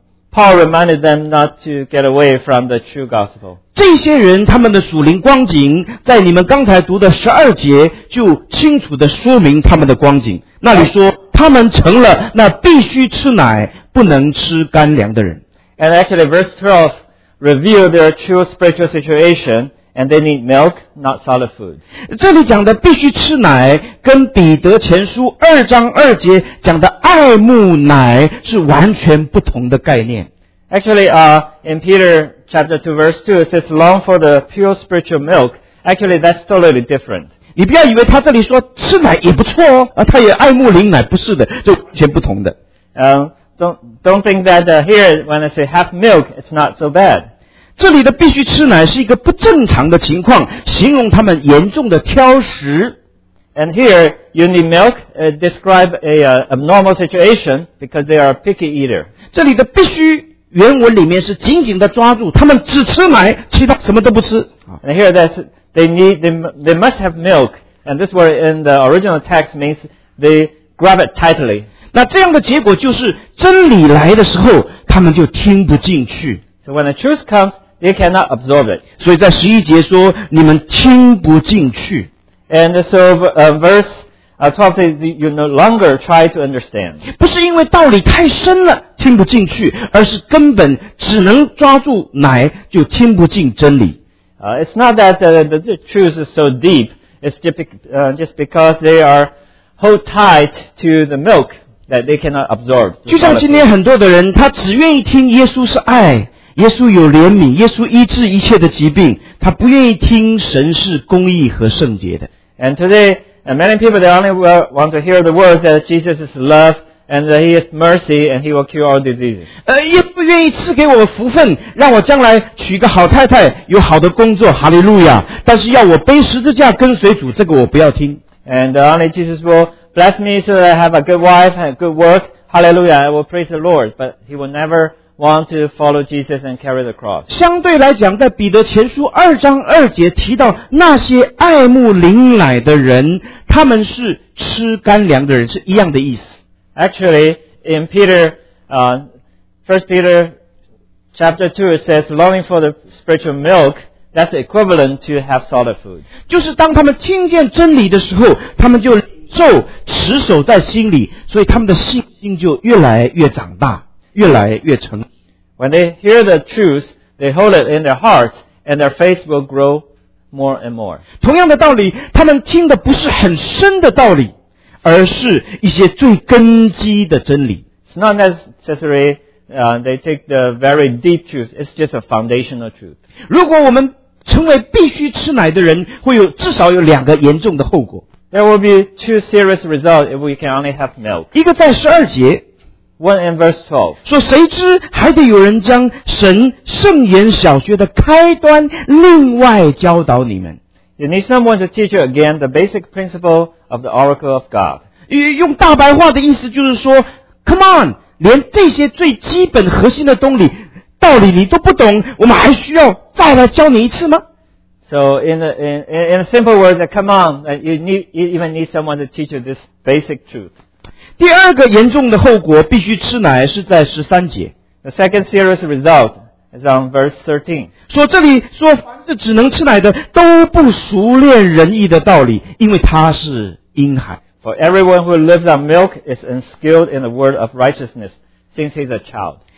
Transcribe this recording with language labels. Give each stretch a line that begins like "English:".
English: Paul reminded them not to get away from the true gospel.
Chinese: 这些人他们的属灵光景，在你们刚才读的十二节就清楚地说明他们的光景。那里说他们成了那必须吃奶不能吃干粮的人。
English: And actually, verse 12 reveal their true spiritual situation, and they need milk, not solid food.
Chinese: 这里讲的必须吃奶，跟彼得前书二章二节讲的爱慕奶是完全不同的概念。
English: Actually, in Peter chapter 2 verse 2, it says long for the pure spiritual milk. Actually, that's totally different.
Chinese: 你不要以为他这里说吃奶也不错哦，他也爱慕灵奶，不是的，就完全不同的。
English: Don't think that here when I say half milk, it's not so bad.
Chinese: 这里的必须吃奶是一个不正常的情况，形容他们严重的挑食。
English: And here you need milk, describe a abnormal situation because they are a picky eater.
Chinese: 这里的必须原文里面是紧紧的抓住，他们只吃奶，其他什么都不吃。
English: And here that they must have milk, and this word in the original text means they grab it tightly.
Chinese: 那这样的结果就是真理来的时候他们就听不进去。
English: So when the truth comes, they cannot absorb it.
Chinese: 所以在11节说你们听不进去。
English: And so verse 12 says you no longer try to understand.
Chinese: 不是因为道理太深了听不进去，而是根本只能抓住奶就听不进真理。
English: It's not that the truth is so deep. It's just because they are hold tight to the milk. That they cannot absorb.
Chinese: 就像今天很多的人，他只愿意听耶稣是爱，耶稣有怜悯，耶稣医治一切的疾病，他不愿意听神是公义和圣洁的。
English: And today, many people they only want to hear the words that Jesus is love and that He is mercy and He will cure all diseases.
Chinese: 也不愿意赐给我福分，让我将来娶个好太太，有好的工作，哈利路亚。但是要我背十字架跟随主，这个我不要听。
English: And only Jesus will bless me so that I have a good wife and good work. Hallelujah. I will praise the Lord. But he will never want to follow Jesus and carry the cross.
Chinese: 相对来讲，在彼得前书二章二节提到那些爱慕灵奶的人，他们是吃干粮的人，是一样的意思。
English: Actually, in Peter, 1 Peter chapter 2, it says, longing for the spiritual milk,That's equivalent to have solid food.
Chinese: 就是当他们听见真理的时候，他们就受持守在心里，所以他们的信心就越来越长大，越来越成。
English: When they hear the truth, they hold it in their hearts, and their faith will grow more and more.
Chinese: 同样的道理，他们听的不是很深的道理，而是一些最根基的真理。
English: It's not necessary, they take the very deep truth. It's just a foundational truth.
Chinese: 如果我们成为必须吃奶的人，会有至少有两个严重的后果。
English: There will be two serious results if we can only have milk.
Chinese: 一个在十二节。
English: One in verse 12.
Chinese: 说谁知还得有人将神圣言小学的开端另外教导你们。
English: You need someone to teach you again the basic principle of the oracle of God.
Chinese: 用大白话的意思就是说 ,
English: come on,
Chinese: 连这些最基本核心的道理你都不懂，我们还需要再来教你一次吗？
English: So in a simple word, come on, you even need someone to teach you this basic truth.
Chinese: 第二个严重的后果，必须吃奶，是在十三节。
English: The second serious result is on verse 13.
Chinese: 说这里说凡是只能吃奶的，都不熟练仁义的道理，因为他是婴孩。
English: For everyone who lives on milk is unskilled in the word of righteousness, since he's a child.